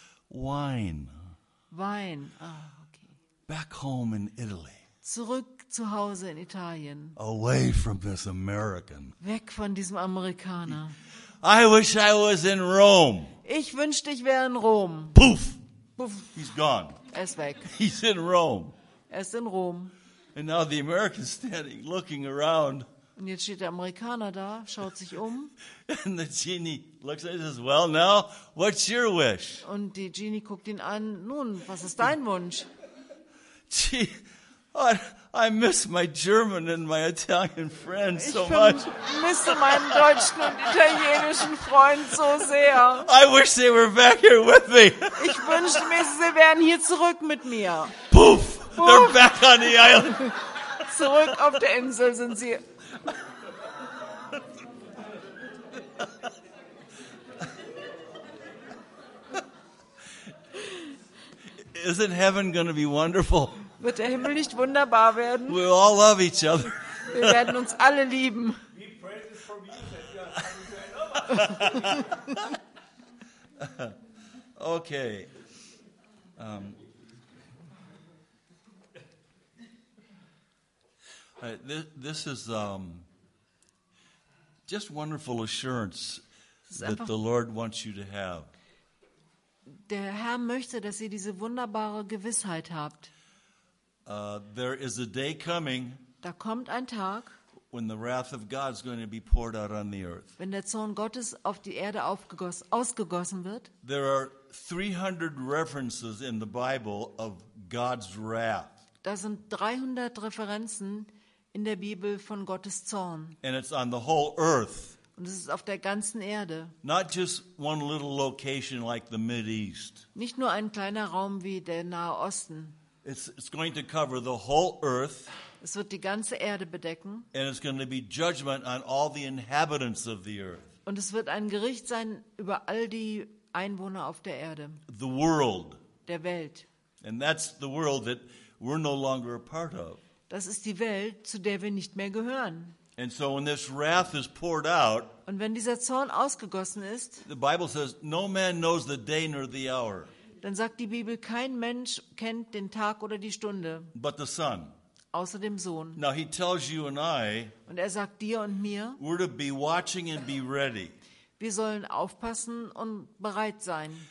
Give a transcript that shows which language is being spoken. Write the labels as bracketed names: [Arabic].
[English] Wine. [German] Wein. Ah, okay. [English] Back home in Italy. [German] Zurück zu Hause in Italien. [English] Away from this American. [German] Weg von diesem Amerikaner. [English] I wish I was in Rome. [German] Ich wünschte, ich wäre in Rom. Poof. Poof. [English] He's gone. [German] Er ist weg. [English] He's in Rome. [German] Er ist in Rom. [English] And now the American standing, looking around. [German] Und jetzt steht der Amerikaner da, schaut sich um. [English] And the genie looks at him and says, "Well, now, what's your wish?" [German] Und die Genie guckt ihn an. Nun, was ist dein Wunsch? [English] Gee, I miss my German and my Italian friends so much. [German] Ich vermisse meinen deutschen und italienischen Freund so sehr. [English] I wish they were back here with me. [German] Ich wünschte mir, sie wären hier zurück mit mir. Poof! [English] They're back on the island. [German] Zurück auf der Insel sind sie. [English] Isn't heaven going to be wonderful? [German] Wird der Himmel nicht wunderbar werden? [English] We all love each other. [German] Wir werden uns alle lieben. [English] Okay. This is just wonderful assurance that the Lord wants you to have. [German] Der Herr möchte, dass ihr diese wunderbare Gewissheit habt. [English] There is a day coming. [German] Da kommt ein Tag. [English] When the wrath of God is going to be poured out on the earth. [German] Wenn der Zorn Gottes auf die Erde ausgegossen wird. [English] There are 300 references in the Bible of God's wrath. [German] Da sind 300 Referenzen in der Bibel von Gottes Zorn. [English] And it's on the whole earth. [German] Und es ist auf der ganzen Erde. [English] Not just one little location like the Mideast. [German] Nicht nur ein kleiner Raum wie der Nahe Osten. [English] It's going to cover the whole earth. [German] Es wird die ganze Erde bedecken. [English] And it's going to be judgment on all the inhabitants of the earth. [German] Und es wird ein Gericht sein über all die Einwohner auf der Erde. [English] The world. [German] Der Welt. [English] And that's the world that we're no longer a part of. [German] Das ist die Welt, zu der wir nicht mehr gehören. [English] And so when this wrath is poured out, [German] und wenn dieser Zorn ausgegossen ist, [English] the Bible says, no man knows the day nor the hour. [German] Dann sagt die Bibel, kein Mensch kennt den Tag oder die Stunde. [English] But the Son. [German] Außer dem Sohn. [English] Now he tells you and I, [German] und er sagt dir und mir, [English] we're to be watching and be ready. [German] Wir sollen aufpassen und bereit sein.